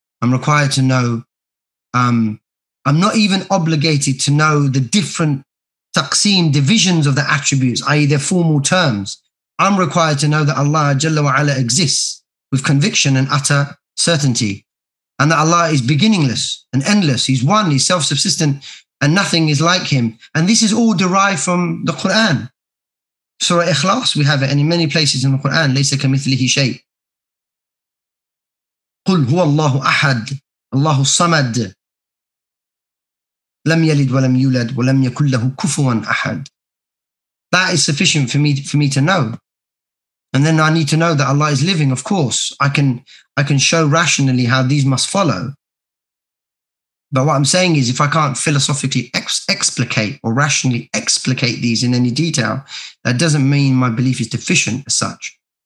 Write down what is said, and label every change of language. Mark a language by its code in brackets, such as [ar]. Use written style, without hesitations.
[en] I'm required to know. I'm not even obligated to know the different taqseem, divisions of the attributes, i.e. their formal terms. I'm required to know that Allah Jalla wa Ala exists with conviction and utter certainty, and that Allah is beginningless and endless. He's one, he's self-subsistent, and nothing is like him. And this is all derived from the Quran. Surah Ikhlas, we have it, and in many places in the Quran, [ar] لَيْسَ كَمِثْلِهِ شَيْءٍ قُلْ هُوَ اللَّهُ أَحَدٍ اللَّهُ الصَّمَدٍ لَمْ يَلِدْ وَلَمْ يُولَدْ وَلَمْ يَكُلْ لَهُ كُفُوًا أَحَدٍ. [en] That is sufficient for me to know. And then I need to know that Allah is living, of course. I can show rationally how these must follow. But what I'm saying is, if I can't philosophically explicate or rationally explicate these in any detail, that doesn't mean my belief is deficient as such.